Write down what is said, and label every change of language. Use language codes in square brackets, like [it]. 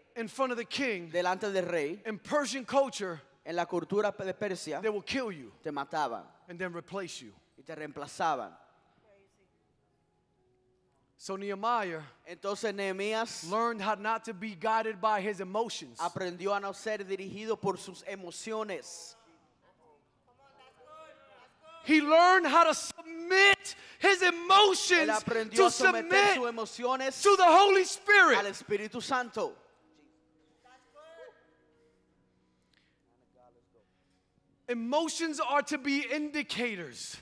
[en] In front of the king. [es] Delante del rey. [en] In Persian culture. [es] En la cultura de Persia. [en] They will kill you. [es] Te mataban. [en] And then replace you. [es] Y te reemplazaban. [en] So Nehemiah. [es] Entonces Nehemías. [en] Learned how not to be guided by his emotions. [es] Aprendió a no ser dirigido por sus emociones. [en] He learned how to submit his emotions to submit to the Holy Spirit. [es] Al Espíritu Santo. [en] Emotions are to be indicators.